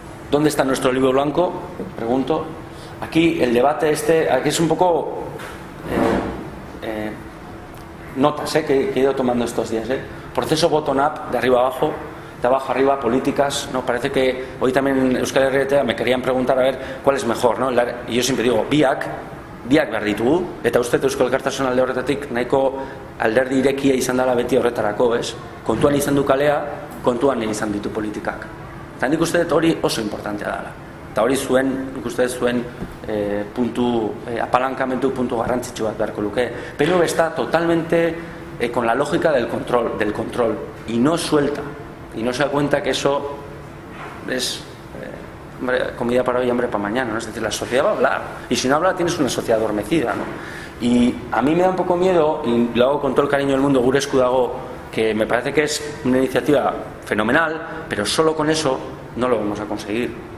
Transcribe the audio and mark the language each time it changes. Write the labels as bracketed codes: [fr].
[es] ¿Dónde está nuestro libro blanco? Pregunto. Aquí el debate este, aquí es un poco... notas, que he ido tomando estos días, ¿eh? Proceso bottom-up, de arriba abajo... de abajo arriba, políticas, ¿no? Parece que hoy también en Euskal Herria me querían preguntar a ver cuál es mejor, ¿no? Y yo siempre digo, [eu] biak behar ditugu, eta usted Euskal Elkartasun alde horretatik nahiko alderdi irekia izan dela beti horretarako, ez? Kontuan izan du kalea, kontuan izan ditu politikak. Eta nik uste dut hori oso importantea dela. Eta hori zuen, nik uste dut zuen apalankamentu puntu garrantzitsu bat beharko luke. [es] Pero está totalmente con la lógica del control, y no suelta. Y no se da cuenta que eso es comida para hoy y hambre para mañana, ¿no? Es decir, la sociedad va a hablar. Y si no habla, tienes una sociedad adormecida, ¿no? Y a mí me da un poco miedo, y lo hago con todo el cariño del mundo, gure esku dago, que me parece que es una iniciativa fenomenal, pero solo con eso no lo vamos a conseguir.